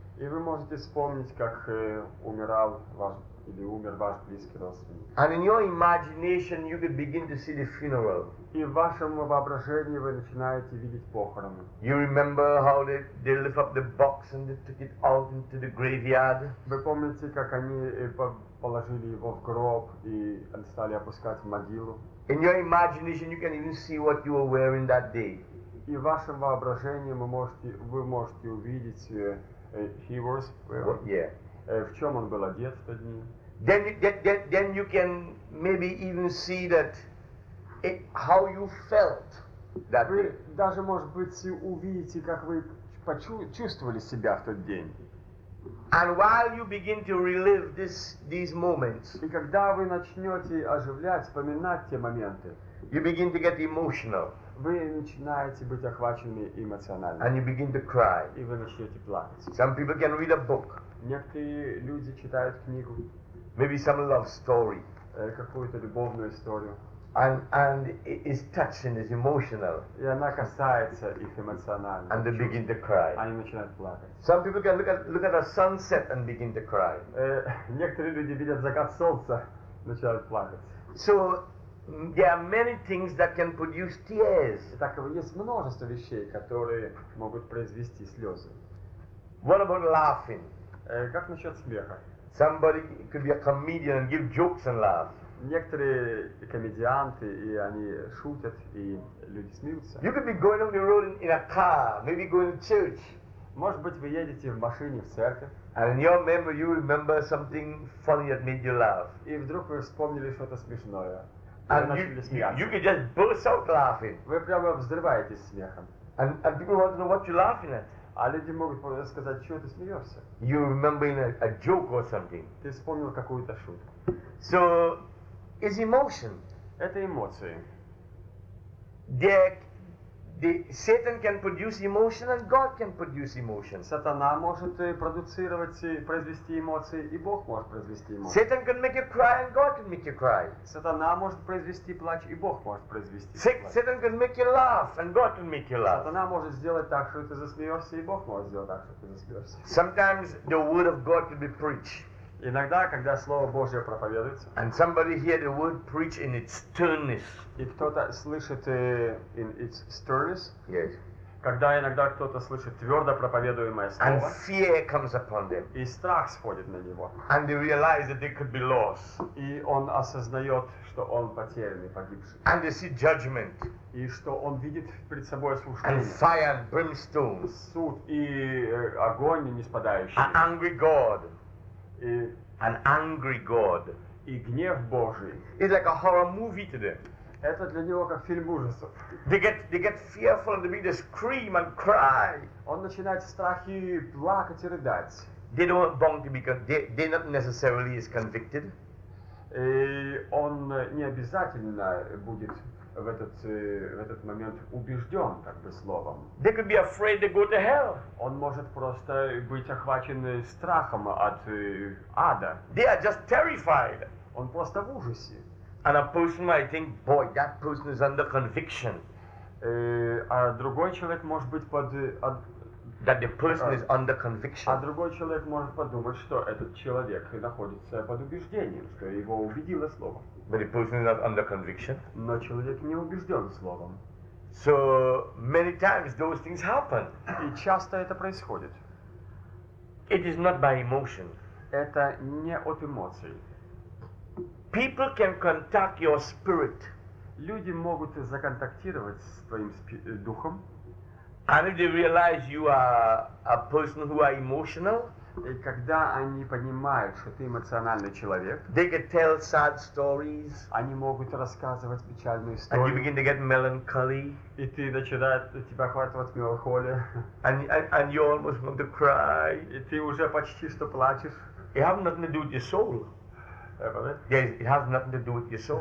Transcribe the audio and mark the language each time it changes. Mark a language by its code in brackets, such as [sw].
[ru] И вы можете вспомнить, как умирал ваш или умер ваш близкий родственник. [en] And in your imagination you could begin to see the funeral. [ru] И в вашем воображении вы начинаете видеть похороны. [en] You remember how they lift up the box and they took it out into the graveyard. [ru] Вы помните, как они положили его в гроб и стали опускать в могилу. [en] In your imagination you can even see what you were wearing that day. [ru] И в вашем воображении вы можете увидеть [en] he was wearing. What, yeah. [ru] В чем он был одет в тот день? [en] Then you can maybe even see that how you felt that [ru] day. Вы даже, может быть, увидите, как вы чувствовали себя в тот день. [en] And while you begin to relive these moments, [ru] и когда вы начнете оживлять, вспоминать те моменты, [en] you begin to get emotional. [ru] Вы начинаете быть охваченными эмоционально. [en] And you begin to cry. [ru] И вы начнете плакать. [en] Some people can read a book. [ru] Некоторые люди читают книгу. [en] Maybe some love story. [ru] Какую-то любовную историю. [en] And it's touching, it's emotional. [ru] И она касается их эмоционально. [en] And they begin to cry. [ru] Они начинают плакать. [en] Some people can look at a sunset and begin to cry. [ru] Некоторые люди видят закат солнца, начинают плакать. [en] So there are many things that can produce tears. [ru] Так есть множество вещей, которые могут произвести слезы. [en] What about laughing? [ru] Как насчет смеха? [en] Somebody could be a comedian and give jokes and laugh. [ru] Некоторые комедианты и они шутят и люди смеются. [en] You could be going on the road in a car, maybe going to church. [ru] Может быть, вы едете в машине в церковь. [en] And in your memory, you remember something funny that made you laugh. [ru] И вдруг вы вспомнили что-то смешное. [en] And you could just burst out laughing. [ru] Вы прямо взрываетесь смехом. [en] And people want to know what you're laughing at. [ru] А люди могут сказать, что ты смеешься. [en] You remember a joke or something. [ru] Ты вспомнил какую-то шутку. [en] So, it's emotion. [ru] Это эмоции. [en] The Satan can produce emotion and God can produce emotion. [ru] Сатана может произвести эмоции, и Бог может произвести эмоции. [en] Satan can make you cry and God can make you cry. [ru] Сатана может произвести плач, и Бог может произвести плач. [en] Satan can make you laugh and God can make you laugh. [ru] Сатана может сделать так, что ты засмеешься, и Бог может сделать так, что ты засмеешься. [en] Sometimes the word of God can be preached. [ru] Иногда, когда Слово Божье проповедуется, [en] and somebody hear the word preach in its sternness. [ru] И кто-то слышит [en] in its sternness. Yes. [ru] Когда иногда кто-то слышит твердо проповедуемое Слово, [en] and fear comes upon them. [ru] И страх сходит на него. [en] And they realize that they could be lost. [ru] И он осознает, что он потерянный, погибший. [en] And they see judgment. [ru] И что он видит перед собой осуждение. [en] And fire and brimstone. [ru] Суд и огонь ниспадающий. [en] An angry God. [ru] И [en] an angry God. [ru] И гнев Божий. [en] It's like a horror movie to them. [ru] Это для него как фильм ужасов. [en] They get fearful and they begin to scream and cry. [ru] Он начинает в страхе плакать и рыдать. [en] They don't want to be convicted. They not necessarily is convicted. [ru] он не обязательно будет в этот момент убежден, как бы, словом. [en] They could be afraid to go to hell. [ru] Он может просто быть охвачен страхом от ада. [en] They are just terrified. [ru] Он просто в ужасе. [en] And a person might think, boy, that person is under conviction. [ru] А другой человек может быть под... [en] That the person is under conviction. [ru] А другой человек может подумать, что этот человек находится под убеждением, что его убедило слово. [en] But the person is not under conviction. [ru] Но человек не убежден словом. [en] So many times those things happen. [ru] И часто это происходит. [en] It is not by emotion. [ru] Это не от эмоций. [en] People can contact your spirit. [ru] Люди могут законтактировать с твоим духом. [en] And if they realize you are a person who are emotional, [ru] и когда они понимают, что ты эмоциональный человек, [en] they can tell sad stories, [ru] они могут рассказывать печальные истории, [en] and you begin to get melancholy, [ru] и ты начинает тебя охватывать меланхолия, [en] and you almost want to cry, [ru] и ты уже почти что плачешь. [en] It has nothing to do with your soul. Yes, it has nothing to do with your soul.